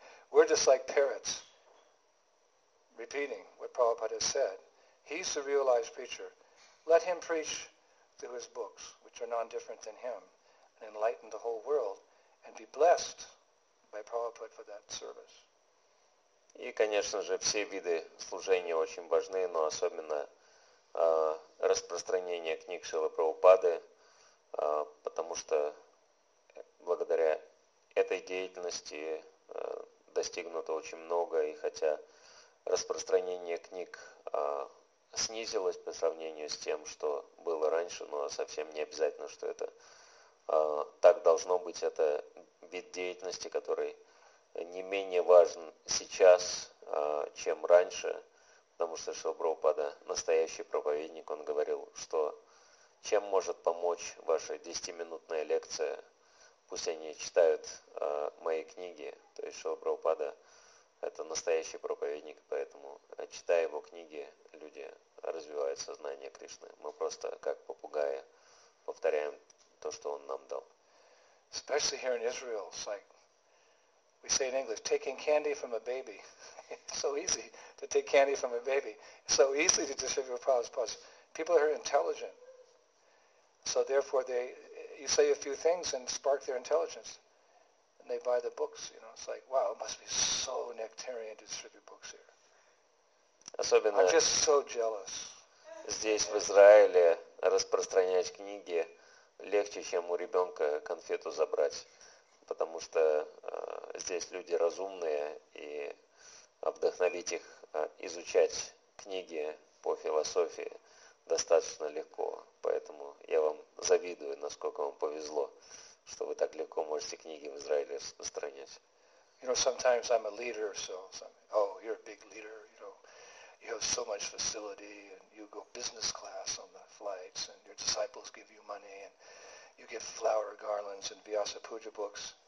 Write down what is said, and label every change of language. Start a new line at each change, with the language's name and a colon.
English: We're just like parrots, repeating what Prabhupada has said. He's the realized preacher. Let him preach through his books, which are non-different than him, and enlighten the whole world, and be blessed by Prabhupada for that service.
Russian: И, конечно же, все виды служения очень важны, но особенно распространение книг Шрилы Прабхупады, потому что благодаря этой деятельности достигнуто очень много, и хотя распространение книг снизилось по сравнению с тем, что было раньше, но совсем не обязательно, что это так должно быть, это вид деятельности, который не менее важен сейчас, чем раньше, потому что Шрила Прабхупада настоящий проповедник, он говорил, что чем может помочь ваша 10-минутная лекция, пусть они читают мои книги, то есть Шрила Прабхупада это настоящий проповедник, поэтому читая его книги, люди развивают сознание Кришны. Мы просто как попугаи повторяем то, что он нам дал.
English: Especially here in Israel, it's like we say in English, taking candy from a baby. It's so easy to take candy from a baby. It's so easy to distribute Prabhupada's. People are intelligent. So therefore, you say a few things and spark their intelligence. And they buy the books. You know, it's like, wow, it must be so nectarian to distribute books here.
Russian: Особенно
English: I'm just so jealous.
Russian: Здесь, в Израиле, распространять книги легче, чем у ребенка конфету забрать. Потому что здесь люди разумные, и вдохновить их изучать книги по философии достаточно легко. Поэтому я вам завидую, насколько вам повезло, что вы так легко можете книги в Израиле распространять.
English: You know, sometimes I'm a leader, so you're a big leader, you know. You have so much facility, and you go business class on the flights, and your disciples give you money, and you get flower garlands and Vyasa Puja books.